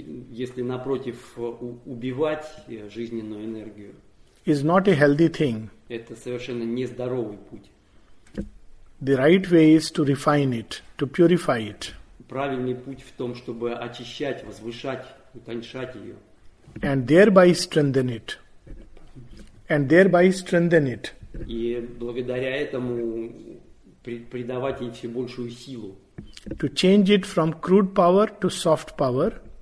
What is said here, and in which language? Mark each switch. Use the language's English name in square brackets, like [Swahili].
[Russian] если напротив убивать жизненную энергию, [English] is not a healthy thing. [Russian] Это совершенно нездоровый путь. [English] The right way is to refine it, to purify it. [Russian] Правильный путь в том, чтобы очищать, возвышать, утончать ее. [English] And thereby strengthen it. And thereby strengthen it. [Russian] И благодаря этому придавать ей все большую силу. [English] To change it from crude power to soft power.